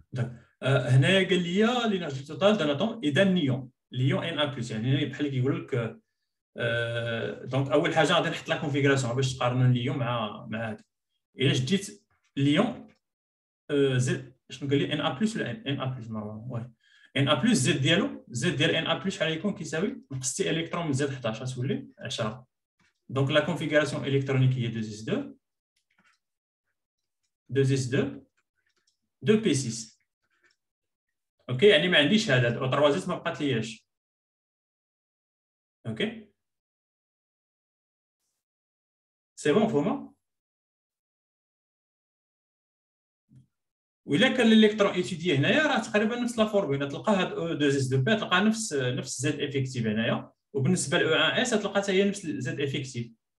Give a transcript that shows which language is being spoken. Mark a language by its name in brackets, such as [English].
[Arabic] داك هنايا قال لي الانرجي توتال دان اتون اي دان نيون ليون ان ا بلس يعني بحال اللي كيقول لك دونك اول حاجه غادي نحط لا كونفيغوراسيون باش تقارنوا ليون مع هذا الا شديت ليون زد شنو قال لي ان ا بلس ولا ان ا بلس نورمال وي ان ا بلس زد ديالو زد ديال ان ا بلس شحال يكون كيساوي نقصتي الكترون من زد 11 تولي 10 [French] Donc la configuration électronique est 2s2, 2s2, 2p6. [Arabic] OK, يعني ما عنديش هذا و 3s ما بقات لياش. OK. [French] C'est bon Foma? [Arabic] و الا كان الالكترون ايتيدي هنايا راه تقريبا نفس لا فورمولا تلقى هاد او 2s2 بي تلقى نفس زد افكتيف هنايا وبالنسبه لاو 1s تلقى حتى هي نفس زد افكتيف.